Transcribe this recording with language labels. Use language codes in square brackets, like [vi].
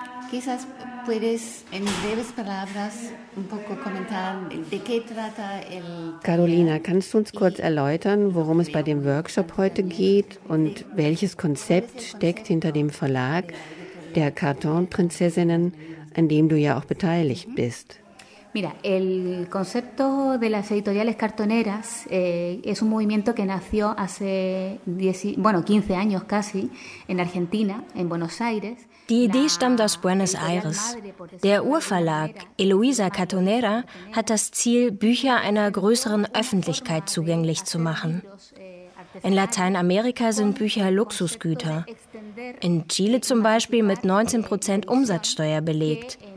[es] Quizás puedes en breves palabras un poco comentar de qué trata el. [de] Carolina, kannst du uns kurz erläutern, worum es bei dem Workshop heute geht und welches Konzept steckt hinter dem Verlag der Cartonprinzessinnen, an dem du ja auch beteiligt bist? [es] Mira, el concepto de las editoriales cartoneras es un movimiento que nació hace 15 años casi en Argentina, en Buenos Aires. [de] Die Idee stammt aus Buenos Aires. Der Urverlag Eloisa Cartonera hat das Ziel, Bücher einer größeren Öffentlichkeit zugänglich zu machen. In Lateinamerika sind Bücher Luxusgüter. In Chile zum Beispiel mit 19% Umsatzsteuer belegt.